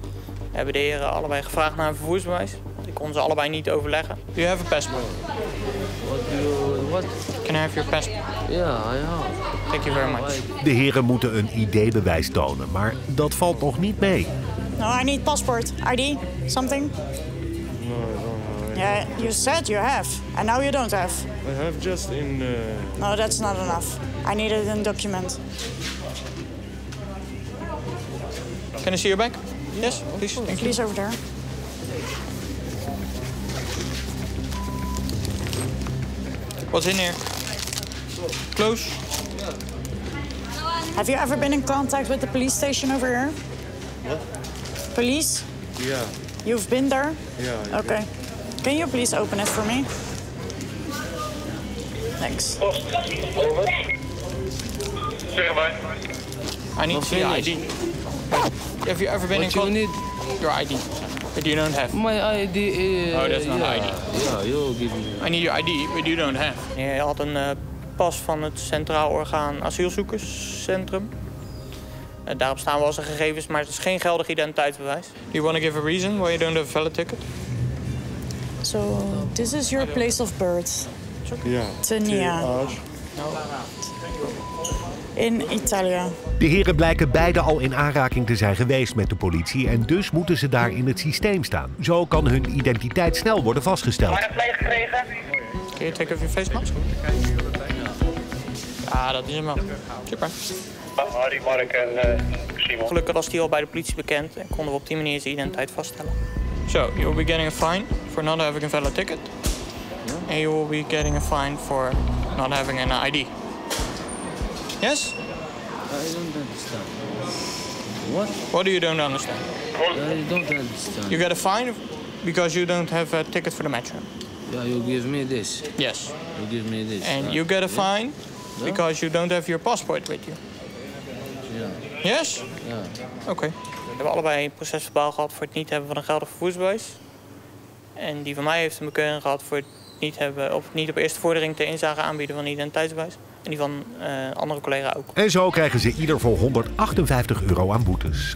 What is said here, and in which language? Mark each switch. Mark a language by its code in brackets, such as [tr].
[nl] We hebben de heren allebei gevraagd naar een vervoersbewijs. Ik kon ze allebei niet overleggen. [en] You have a passport. What? Can I have your passport? [nl] Ja. [en] Thank you very much. [nl] De heren moeten een ID-bewijs tonen, maar dat valt nog niet mee. [en] No, I need passport. ID? Something? No. Yeah, you said you have, and now you don't have. I have just in... No, that's not enough. I need it in document. Can I see your bag? Yes, please. Thank please you. Over there. What's in here? Close. Have you ever been in contact with the police station over here? What? Police? Yeah. You've been there? Yeah. Okay. Can you please open it for me? Thanks. Over. I need to see your ID. Have you ever been what in contact? You need your ID. But you don't have. My ID is... Oh, that's not yeah. ID. Yeah, you'll give me... I need your ID, but you don't have. [nl] Je had een pas van het Centraal Orgaan Asielzoekerscentrum. Daarop staan wel zijn gegevens, maar het is geen geldig identiteitsbewijs. [en] Do you want to give a reason why you don't have a valid ticket? So, this is your place of birth. Yeah. Tania. [nl] In Italië. De heren blijken beide al in aanraking te zijn geweest met de politie en dus moeten ze daar in het systeem staan. Zo kan hun identiteit snel worden vastgesteld. Kun je [en] take off your face mask? [nl] Ja, dat is hem wel. Super. Harry, Mark en Simon. Gelukkig was die al bij de politie bekend en konden we op die manier zijn identiteit vaststellen. [en] So, you will be getting a fine for not having a valid ticket. And you will be getting a fine for not having an ID. Yes? I don't understand. What? What do you don't understand? I don't understand. You get a fine because you don't have a ticket for the metro. Yeah, you give me this. Yes. You give me this. And you get a fine because you don't have your passport with you. Yeah. Yes? Yeah. Okay. [nl] We hebben allebei een procesverbaal gehad voor het niet hebben van een geldig vervoersbewijs. En die van mij heeft een bekeuring gehad voor het niet hebben of niet op eerste vordering ter inzage aanbieden van identiteitsbewijs. En die van andere collega ook. En zo krijgen ze ieder voor €158 aan boetes.